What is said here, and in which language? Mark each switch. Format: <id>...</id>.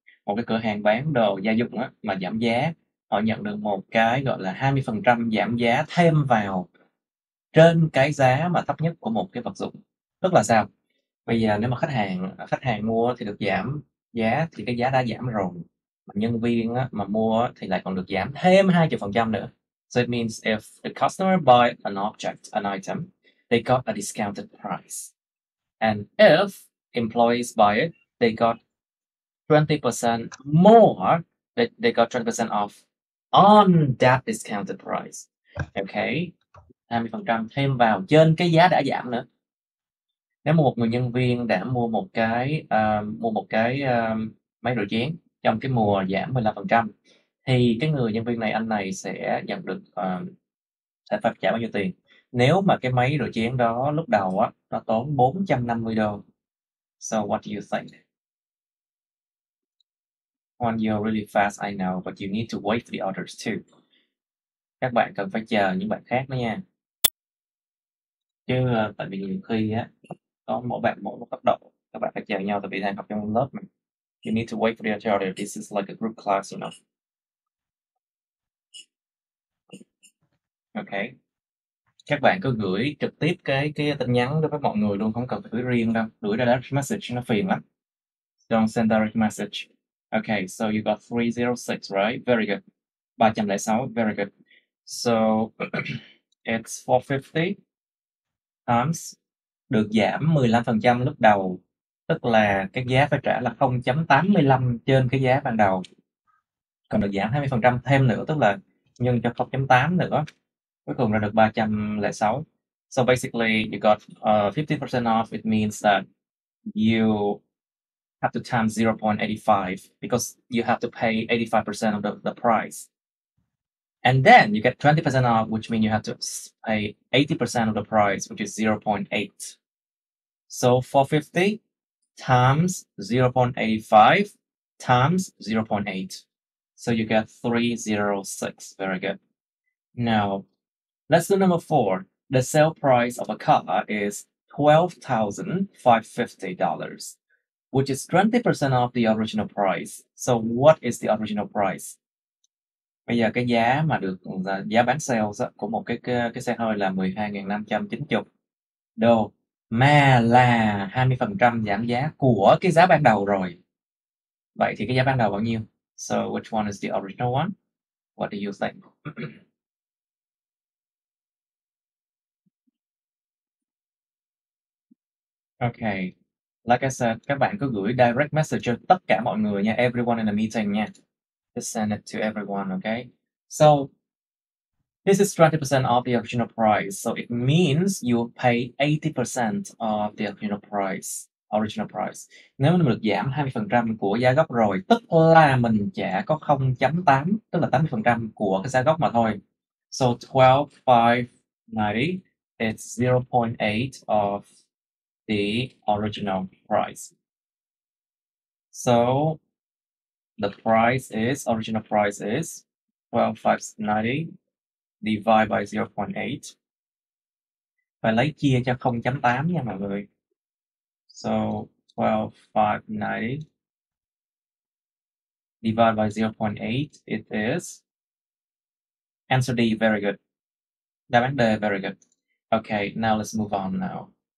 <vi>Một cái cửa hàng bán đồ gia dụng á, mà giảm giá. Họ nhận được một cái gọi là 20% giảm giá thêm vào trên cái giá mà thấp nhất của một cái vật dụng. Tức là sao? Bây giờ nếu mà khách hàng mua thì được giảm giá, thì cái giá đã giảm rồi. Nhân viên á, mà mua thì lại còn được giảm thêm 20% nữa.</vi> <en>So it means if the customer buy an item, they got a discounted price. And if employees buy it, they got 20% more, they got 20% off on that discounted price.</en> <vi>Ok, 20% thêm vào trên cái giá đã giảm nữa. Nếu một người nhân viên đã mua một cái máy rửa chén trong cái mùa giảm 15%, thì cái người nhân viên này anh này sẽ nhận được sẽ phải trả bao nhiêu tiền? Nếu mà cái máy rửa chén đó lúc đầu á nó tốn 450 đô.</vi> <en>So what do you think? One, you're really fast, I know, but you need to wait for the others too.</en> <vi>Các bạn cần phải chờ những bạn khác nữa nha. Chứ tại vì nhiều khi á có mỗi bạn mỗi một cấp độ, các bạn phải chờ nhau tại vì đang học trong lớp mà.</vi> <en>You need to wait for the other. This is like a group class, know.</en> <vi>Okay. Các bạn cứ gửi trực tiếp cái tin nhắn đối với mọi người luôn, không cần phải gửi riêng đâu. Gửi direct message nó phiền lắm.</vi> <en>Don't send direct message. Okay, so you got 306, right? Very good. 306, very good. So it's 450 times</en> <vi>được giảm 15% lúc đầu. Tức là cái giá phải trả là 0.85 trên cái giá ban đầu. Còn được giảm 20% thêm nữa, tức là nhân cho 0.8 nữa. Cuối cùng ra được 306.</vi> <en>So basically, you got 50% off. It means that you have to times 0.85 because you have to pay 85% of the price. And then you get 20% off, which means you have to pay 80% of the price, which is 0.8. So 450 times 0.85 times 0.8. So you get 306. Very good. Now, lesson number four. The sale price of a car is $12,550, which is 20% off the original price. So what is the original price?</en> <vi>Bây giờ cái giá mà được giá bán sale của một cái xe hơi là 12.590 đô mà là 20% giảm giá của cái giá ban đầu rồi. Vậy thì cái giá ban đầu bao nhiêu?</vi> <en>So which one is the original one? What do you think? Okay, like I said,</en> <vi>các bạn cứ gửi direct message cho tất cả mọi người nha,</vi> <en>everyone in the meeting</en> <vi>nha.</vi> <en>Just send it to everyone, okay? So, this is 20% of the original price. So it means you pay 80% of the original price.</en> <vi>Nếu mình được giảm 20% của giá gốc rồi, tức là mình trả có 0.8, tức là 80% của cái giá gốc mà thôi.</vi> <en>So 12,590, it's 0.8 of the original price. So the price is, original price is 12,590 divide by 0.8.</en> <vi>Phải lấy chia cho 0.8 nha mọi người.</vi> <en>So 12,590 divide by 0.8 it is. Answer D, very good.</en> <vi>Đáp án D,</vi> <en>very good. Okay, now let's move on now.</en>